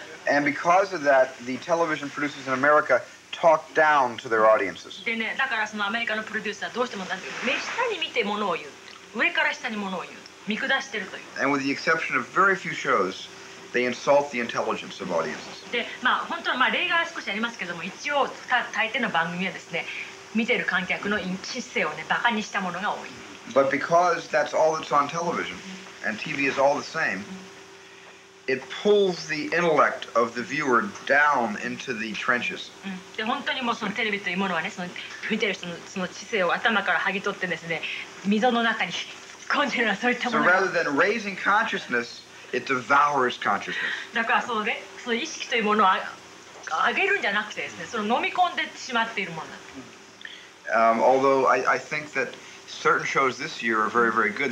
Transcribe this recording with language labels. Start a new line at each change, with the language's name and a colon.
English: And because of that, the television producers in America talk down to their audiences.
Japanese: でねだからそのアメリカのプロデューサーどうしてもなんていうの、目下に見てものを言う、上から下にものを言う、見下してるという。
English: And with the exception of very few shows. They insult the intelligence of audiences.
Japanese: で、まあ本当はまあ例外は少しありますけども、一応大抵の番組はですね、見てる観客の知性をね、バカにしたものが多い。
English: But because that's all that's on television, and TV is all the same, it pulls the intellect of the viewer down into the trenches.
Japanese: で、本当にもうそのテレビというものはね、その見てる人のその知性を頭から剥ぎ取ってですね、溝の中に突っ込んでるのはそういったもの。
English: So rather than raising consciousness,It devours consciousness.
Japanese: だからそのね、その意識というものを上げるんじゃなくてですね、その飲み込んでしまっているものだ。
English: Although I think that certain shows this year are very, very good.